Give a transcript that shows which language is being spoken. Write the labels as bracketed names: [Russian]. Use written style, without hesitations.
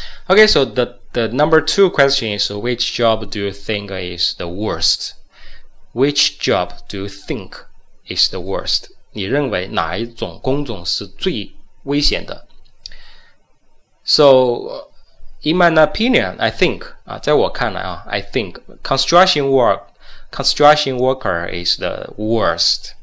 [English] Okay, so the number two question is, which job do you think is the worst? Which job do you think is the worst? [Chinese] 你认为哪一种工种是最危险的？ [English] So, in my opinion, I think, [Chinese] 在我看来啊， [English] I think construction worker is the worst.